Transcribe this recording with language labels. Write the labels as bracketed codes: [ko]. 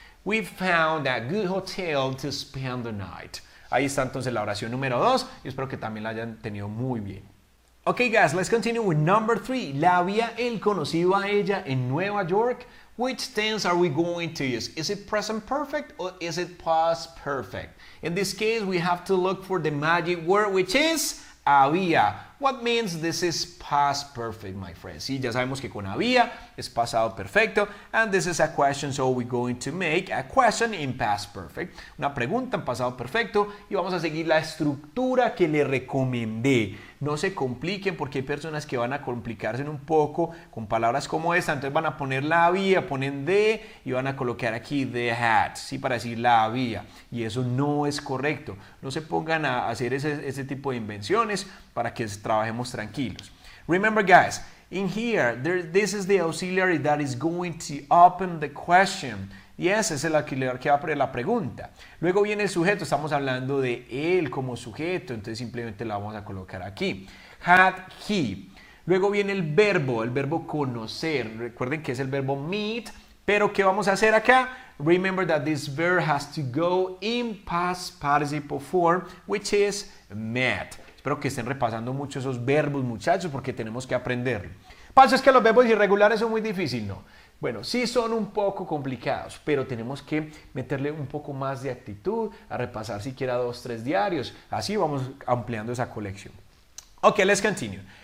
[en] We found a good hotel to spend the night. [es] Ahí está entonces la oración número 2 y espero que también la hayan tenido muy bien. [en] Ok, guys, let's continue with number 3. [es] ¿La había él conocido a ella en Nueva York? [en] Which tense are we going to use? Is it present perfect or is it past perfect? In this case, we have to look for the magic word, which is había. What means this is past perfect, my friends? [es] Sí, ya sabemos que con había es pasado perfecto. [en] And this is a question, so we're going to make a question in past perfect. [es] Una pregunta en pasado perfecto. Y vamos a seguir la estructura que le recomendé. No se compliquen porque hay personas que van a complicarse un poco con palabras como esta. Entonces van a poner la había, ponen de y van a colocar aquí the hat, ¿sí? Para decir la había. Y eso no es correcto. No se pongan a hacer ese tipo de invenciones para que trabajemos tranquilos. [en] Remember, guys, in here, this is the auxiliary that is going to open the question. [es] Yes, es el auxiliar que va a poner la pregunta. Luego viene el sujeto, estamos hablando de él como sujeto, entonces simplemente la vamos a colocar aquí. [en] Had he. [es] Luego viene el verbo conocer. Recuerden que es el verbo meet, pero ¿qué vamos a hacer acá? [en] Remember that this verb has to go in past participle form, which is met. [es] Espero que estén repasando mucho esos verbos, muchachos, porque tenemos que aprenderlo. Paso es que los verbos irregulares son muy difíciles, ¿no? Bueno, sí son un poco complicados, pero tenemos que meterle un poco más de actitud a repasar siquiera 2-3 diarios. Así vamos ampliando esa colección. [en] Ok, let's continue.